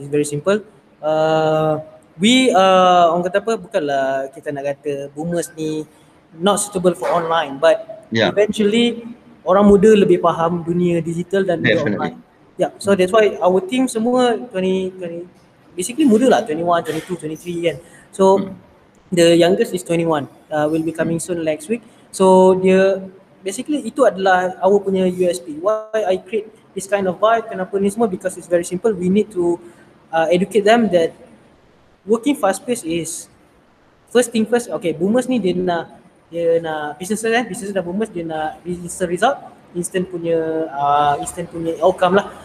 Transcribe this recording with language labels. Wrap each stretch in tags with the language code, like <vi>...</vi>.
<en>It's very simple.</en> <ms>Orang kata apa, bukanlah kita nak kata boomers ni</ms> <en>not suitable for online, but yeah, eventually</en> <ms>orang muda lebih faham dunia digital dan dunia online.</ms> <en>Yeah, so that's why our team semua 20, basically</en> <ms>muda lah,</ms> <en>21, 22, 23 kan. So the youngest is 21, will be coming soon next week.</en> <ms>So dia, basically itu adalah our punya USP.</ms> <en>Why I create this kind of vibe,</en> <ms>kenapa ni semua,</ms> <en>because it's very simple. We need to educate them that working fast pace is first thing first.</en> <ms>Okay, boomers ni dia nak businesses eh, businesses dah boomers, dia nak</ms> <en>instant result,</en> <ms>instant punya outcome lah.</ms>